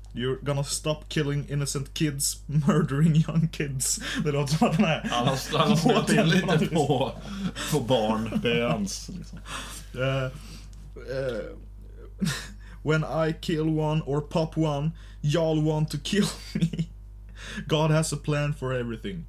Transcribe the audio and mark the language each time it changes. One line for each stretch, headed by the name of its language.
English: You're gonna stop killing innocent kids, murdering young kids.
Swedish: Det låter som att han är... Han har snöt in lite på barn. Det är hans, liksom.
English: When I kill one or pop one, y'all want to kill me. God has a plan for everything.